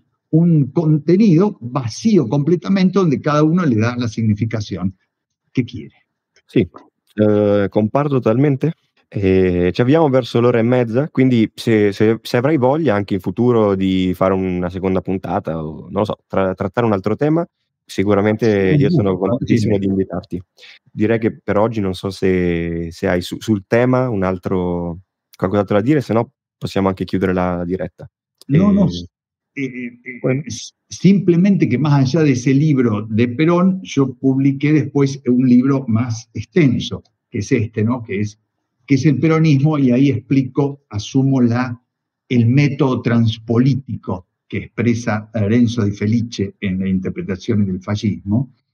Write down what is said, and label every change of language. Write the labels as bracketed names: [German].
[Spanish] Un contenido vacío completamente donde cada uno le da la significación que quiere. [Italian] Sì, comparto totalmente. Ci avviamo verso l'ora e mezza, quindi se avrai voglia anche in futuro di fare una seconda puntata o non lo so, trattare un altro tema, sicuramente io sono contentissimo di invitarti. Direi che per oggi non so se hai sul tema un altro qualcos'altro da dire, se no possiamo anche chiudere la diretta. [Spanish] No, Bueno. simplemente che más allá de ese libro de Perón, yo publiqué después un libro más extenso, que es este, ¿no? Que es el peronismo, y ahí explico, asumo el método transpolítico que expresa Lorenzo Di Felice en la interpretación del fascismo,